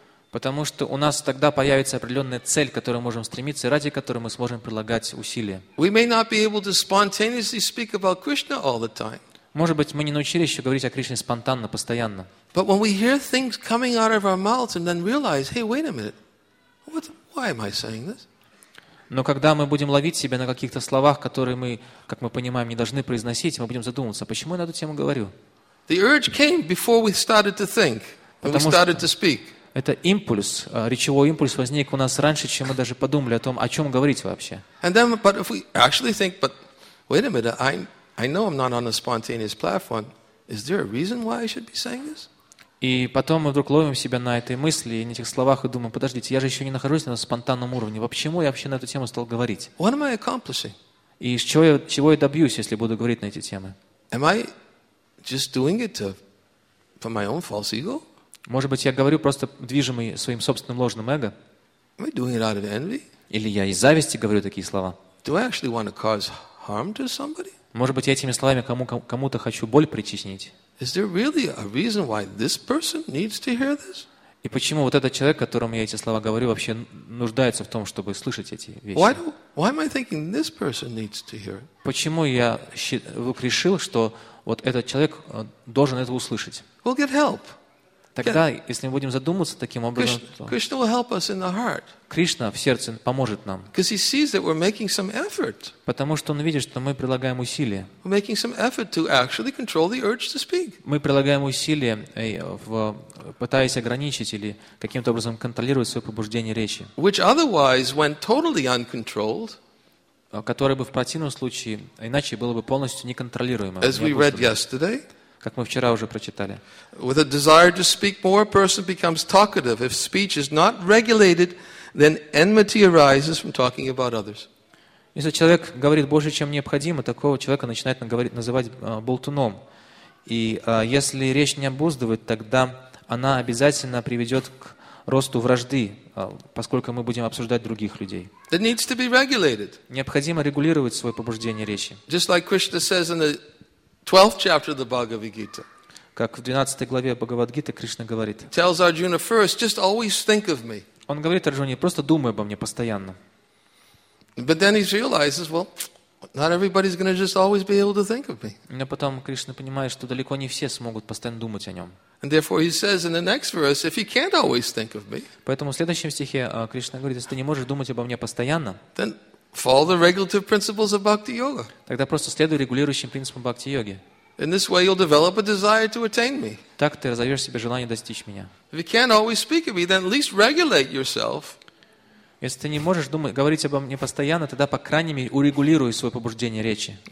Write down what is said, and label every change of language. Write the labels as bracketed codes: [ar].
[ru] Потому что у нас тогда появится определенная цель, к которой мы можем стремиться, и ради которой мы сможем прилагать усилия. Может быть, мы не научились еще говорить о Кришне спонтанно, постоянно. [en] But when we hear things coming out of our mouths and then realize, hey, wait a minute, why am I saying this? [ru] Но когда мы будем ловить себя на каких-то словах, которые мы, как мы понимаем, не должны произносить, мы будем задумываться, почему я на эту тему говорю? [en] The urge came before we started to think, when we started to speak. [ru] Это импульс, речевой импульс возник у нас раньше, чем мы даже подумали о том, о чем говорить вообще. [en] And then, but if we actually think, but wait a minute, I know I'm not on a spontaneous platform. Is there a reason why I should be saying this? [ru] И потом мы вдруг ловим себя на этой мысли, на этих словах и думаем, подождите, я же еще не нахожусь на спонтанном уровне. Почему я вообще на эту тему стал говорить? [en] What am I accomplishing? [ru] И чего я добьюсь, если буду говорить на эти темы? [en] Am I just doing it for my own false ego? [ru] Может быть, я говорю просто движимый своим собственным ложным эго? [en] Am I doing it out of envy? [ru] Или я из зависти говорю такие слова? [en] Do I actually want to cause harm to somebody? [ru] Может быть, я этими словами кому-то хочу боль причинить? И почему вот этот человек, которому я эти слова говорю, вообще нуждается в том, чтобы слышать эти вещи? Почему я вдруг решил, что вот этот человек должен это услышать? [en] We'll get help. [ru] Тогда, если мы будем задумываться таким образом, то [en] Krishna will help us in the heart. [ru] Кришна в сердце поможет нам. [en] Because he sees that we're making some effort. [ru] Потому что он видит, что мы прилагаем усилия. [en] We're making some effort to actually control the urge to speak. [ru] Мы прилагаем усилия, пытаясь ограничить или каким-то образом контролировать свое побуждение речи. [en] Which otherwise, when totally uncontrolled, [ru] которое бы в противном случае иначе было бы полностью неконтролируемо. [en] As we read yesterday. [ru] Как мы вчера уже прочитали. [en] With a desire to speak more, a person becomes talkative. If speech is not regulated, then enmity arises from talking about others. [ru] Если человек говорит больше, чем необходимо, такого человека начинают называть болтуном. И если речь не обуздывает, тогда она обязательно приведет к росту вражды, поскольку мы будем обсуждать других людей. [en] It needs to be regulated. [ru] Необходимо регулировать свое побуждение речи. [en] Just like Krishna says in the 12th chapter of the Bhagavad Gita. [ru] Как в 12 главе Бхагавад Гиты Кришна говорит. [en] Tells Arjuna first, just always think of me. [ru] Он говорит Арджуне, просто думай обо мне постоянно. [en] But then he realizes, well, not everybody's going to just always be able to think of me. [ru] Но потом Кришна понимает, что далеко не все смогут постоянно думать о нем. [en] And therefore he says in the next verse, if you can't always think of me. [ru] Поэтому в следующем стихе Кришна говорит, если ты не можешь думать обо мне постоянно. [en] Then follow the regulative principles of bhakti yoga. [ru] Тогда просто следуй регулирующим принципам бхакти йоги. [en] In this way, you'll develop a desire to attain me. [ru] Так ты разовьешь себе желание достичь меня. [en] If you can't always speak of me, then at least regulate yourself. [ru] Если ты не можешь говорить обо мне постоянно, тогда по крайней мере урегулируй свое побуждение речи.